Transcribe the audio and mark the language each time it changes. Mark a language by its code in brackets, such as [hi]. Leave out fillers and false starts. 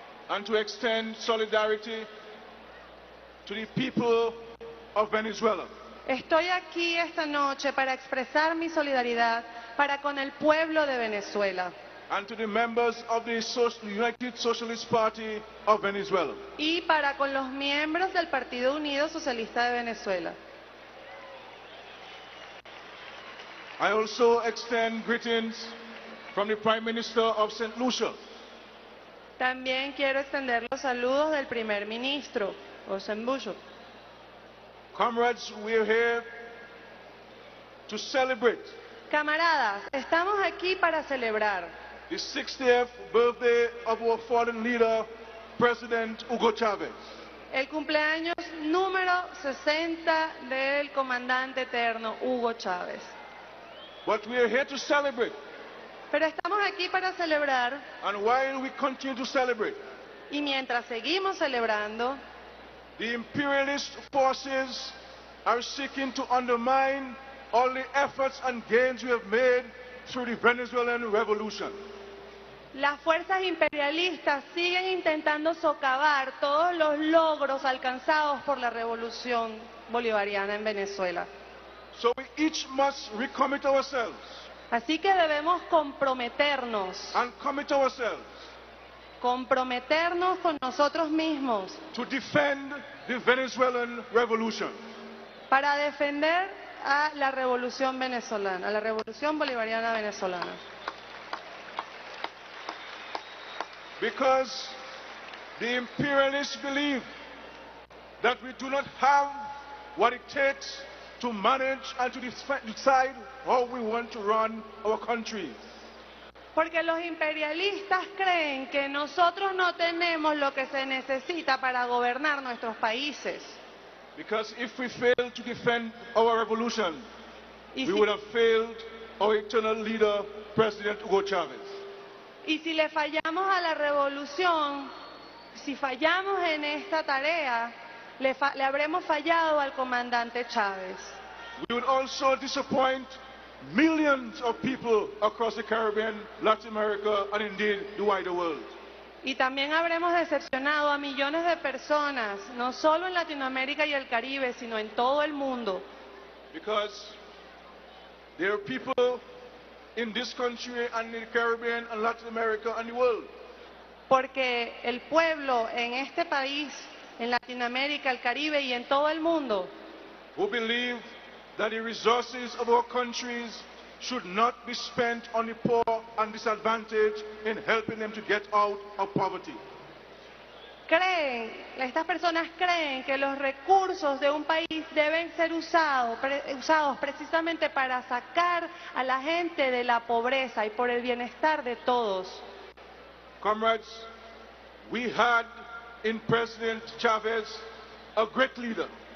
[en] and to extend solidarity to the people of Venezuela. [es] Estoy aquí esta noche para expresar mi solidaridad para con el pueblo de Venezuela. [en] And to the members of the United Socialist Party of Venezuela. [es] Y para con los miembros del Partido Unido Socialista de Venezuela. [en] I also extend greetings from the Prime Minister of St. Lucia. [es] También quiero extender los saludos del Primer Ministro, José Mbusho. [en] Comrades, we are here to celebrate. [es] Camaradas, estamos aquí para celebrar. [en] The 60th birthday of our fallen leader, President Hugo Chávez. [es] El cumpleaños número 60 del comandante eterno Hugo Chávez. [en] But we are here to celebrate. [es] Pero estamos aquí para celebrar. [en] And while we continue to celebrate. [es] Y mientras seguimos celebrando. [en] The imperialist forces are seeking to undermine all the efforts and gains we have made through the Venezuelan Revolution. [es] Las fuerzas imperialistas siguen intentando socavar todos los logros alcanzados por la revolución bolivariana en Venezuela. [en] So we each must recommit ourselves. [es] Así que debemos comprometernos. [en] And commit ourselves. [es] Comprometernos con nosotros mismos. [en] To defend the Venezuelan Revolution. [es] Para defender a la revolución venezolana, a la revolución bolivariana venezolana. [en] Because the imperialists believe that we do not have what it takes to manage and to decide how we want to run our country. [es] Porque los imperialistas creen que nosotros no tenemos lo que se necesita para gobernar nuestros países. [en] Because if we fail to defend our revolution, we would have failed our eternal leader, President Hugo Chávez. [es] Y si le fallamos a la revolución, si fallamos en esta tarea, le habremos fallado al comandante Chávez. [en] We would also disappoint millions of people across the Caribbean, Latin America, and indeed the wider world. [es] Y también habremos decepcionado a millones de personas, no solo en Latinoamérica y el Caribe, sino en todo el mundo. [en] Because there are people in this country and in the Caribbean and Latin America and the world. [es] Porque el pueblo en este país, en Latinoamérica, el Caribe y en todo el mundo. [en] Who believe that the resources of our countries should not be spent on the poor and disadvantaged in helping them to get out of poverty. [es] Creen, estas personas creen que los recursos de un país deben ser usados precisamente para sacar a la gente de la pobreza y por el bienestar de todos. [en] Comrades, we had in President Chávez a great leader.